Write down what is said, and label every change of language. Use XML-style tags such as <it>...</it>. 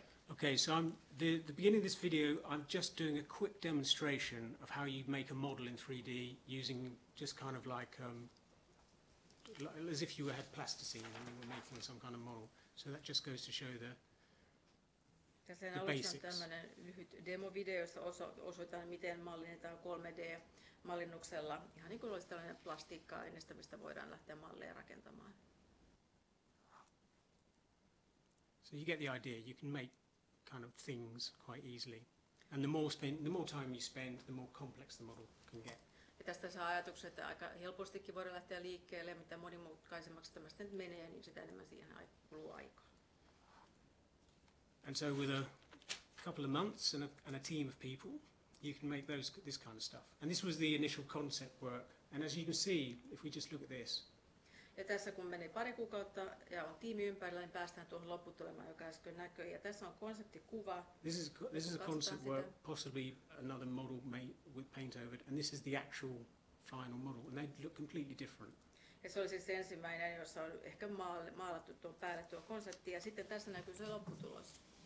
<en>Okay, so I'm the beginning of this video. I'm just doing a quick demonstration of how you make a model in 3D using just kind of like as if you had plasticine and you were making some kind of model. So that just goes to show the basics.</en> <fi>Tässä on tämmöinen lyhyt demovideo, jossa osoitan miten mallinnetaan 3D. Mallinnuksella ihan niin kuin olisi tällainen plastiikka-aineista, mistä voidaan lähteä malleja rakentamaan.</fi> <en>So you get the idea, you can make kind of things quite easily. And the more time you spend, the more complex the model can get.</en> <fi>Ja tästä saa ajatuksen, että aika helpostikin voidaan lähteä liikkeelle, ja mitä monimutkaisemmaksi tämä sitten menee, niin sitä enemmän siihen kuluu aikaa.</fi> <en>And so with a couple of months and a team of people, you can make this kind of stuff. And this was the initial concept work. And as you can see, if we just look at this.</en> <fi>Ja tässä kun menee pari kuukautta ja on tiimi ympärillä, niin päästään tuohon lopputulemaan, joka äsken näkyi. Ja tässä on konseptikuva.</fi> <en>This is a concept work, possibly another model made with paint over it. And this is the actual final model. And they look completely different.</en> <fi>Ja se oli siis ensimmäinen, jossa on ehkä maalattu tuon päälle tuo konsepti. Ja sitten tässä näkyy se lopputulos.</fi>